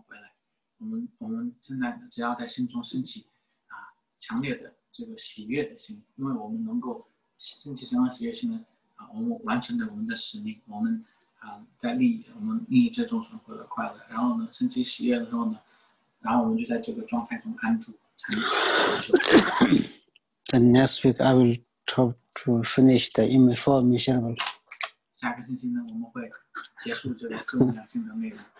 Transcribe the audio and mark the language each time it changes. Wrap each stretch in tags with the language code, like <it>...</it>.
<zh>那刚才那是不确认一下我们的观想的内容，就是我们从自身的释迦牟尼佛的心中放出无量的光明，照耀一切的众生，因他们的疾病和痛苦呢都消除了。啊，这样说呢，不需要观想这个光回来。我们现在只要在心中升起。强烈的这个喜悦的心，因为我们能够升起生活喜悦心呢，我们完成了我们的使命，我们在利益，我们利益这众生获得快乐。然后呢，升起喜悦的时候呢，然后我们就在这个状态中安住，成就。</zh> <en>The next week I will try to finish the four immeasurable.</en> <zh>下个星期呢，我们会结束这个四无量性的内容。</zh>